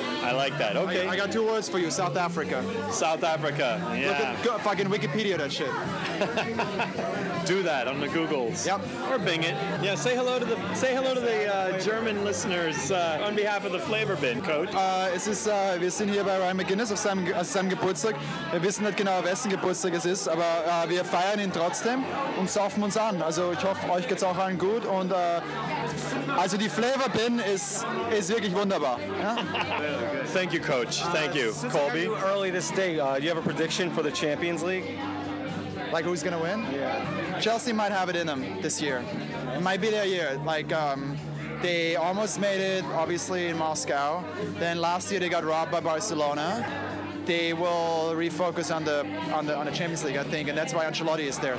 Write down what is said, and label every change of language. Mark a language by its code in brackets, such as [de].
[en] I like that. Okay. I got two words for you. South Africa. South Africa. Yeah. Look at fucking Wikipedia that shit. Do that on the Googles. Yep. Or Bing it. Yeah. Say hello to the German listeners on behalf of the Flavor Bin, Coach. [de] Wir sind hier bei Ryan McGinnis auf seinem Geburtstag. Wir wissen nicht genau, wessen Geburtstag es ist, aber wir feiern ihn trotzdem und saufen uns an. Also ich hoffe, euch geht's auch allen gut. Und also die Flavor Bin ist wirklich wunderbar. Ja? [en] Thank you, Coach. Thank you, since Colby. Since I got you early this day, do you have a prediction for the Champions League? Like who's gonna win? Yeah. Chelsea might have it in them this year. It might be their year. Like they almost made it, obviously, in Moscow. Then last year they got robbed by Barcelona. They will refocus on the Champions League, I think, and that's why Ancelotti is there.